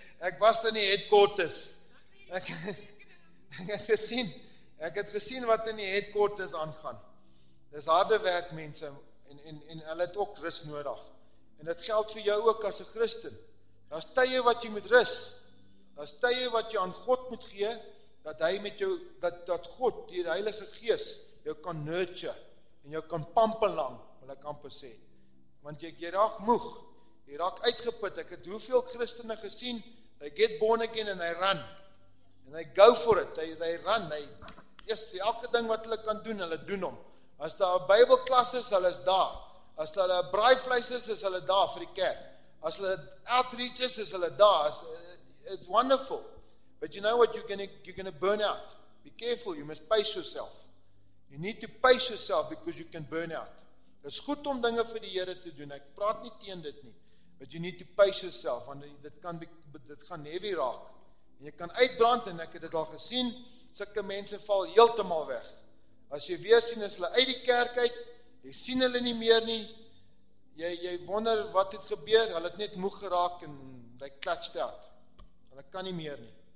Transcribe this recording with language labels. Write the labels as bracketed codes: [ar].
[af] Ek was in die headquarters, ek het gesien wat in die headquarters aangaan. Dis harde werk mense, en hulle het ook rus nodig. En dit geld vir jou ook as 'n Christen. Daar's tye wat jy moet rus. Daar's tye wat jy aan God moet gee, dat hy met jou, dat God, die Heilige Gees, jou kan nurture, en jou kan pampen lang, wil ek amper sê. Want jy raak moeg, jy raak uitgeput. Ek het hoeveel Christene gesien, [en] they get born again and they run. And they go for it, they run. [af] Elke ding wat hulle kan doen, hulle doen hom. As daar 'n Bybelklas is, hulle is daar. As hulle braaivleis is hulle daar vir die kerk. As hulle outreach is hulle daar. [en] It's wonderful. But you know what, you're gonna burn out. Be careful, you must pace yourself. You need to pace yourself because you can burn out. [af] Dit is goed om dinge vir die Here te doen. Ek praat nie teen dit nie. [en] But you need to pace yourself. [af] Want dit gaan heavy raak. En jy kan uitbrand, en ek het dit al gesien, sulke mense val heeltemal weg. As jy weer sien, is hulle uit die kerk uit, jy sien hulle nie meer nie, jy wonder wat het gebeur, hulle het net moeg geraak en hy klatscht uit, hulle kan nie meer nie.